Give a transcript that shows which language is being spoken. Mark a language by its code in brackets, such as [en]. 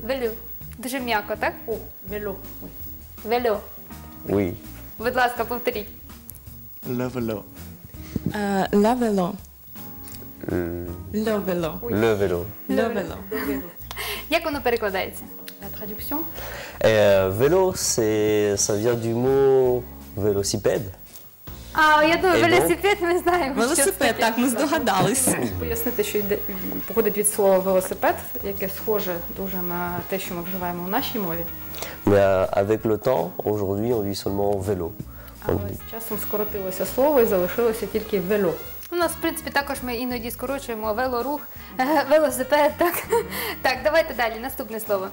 [uk] Vélo. Дуже м'яко, так? [fr] О, vélo. Vélo. Oui. [uk] Будь ласка, повторіть. [fr] Le vélo. La vélo. Le vélo. Oui. Le vélo. Le vélo. [uk] Як воно перекладається? [fr] La traduction. Vélo, c'est, ça vient du mot vélocipède. [uk] А, я думаю, велосипед, ми знаємо. Велосипед, так, ми здогадались. Пояснити, що йде, походить від слова велосипед, яке схоже дуже на те, що ми вживаємо в нашій мові. [fr] Mais avec le temps, aujourd'hui, on dit seulement vélo. [uk] Але з часом скоротилося слово і залишилося тільки вело. У нас, в принципі, також ми іноді скорочуємо велорух, велосипед, так? Так, давайте далі, наступне слово.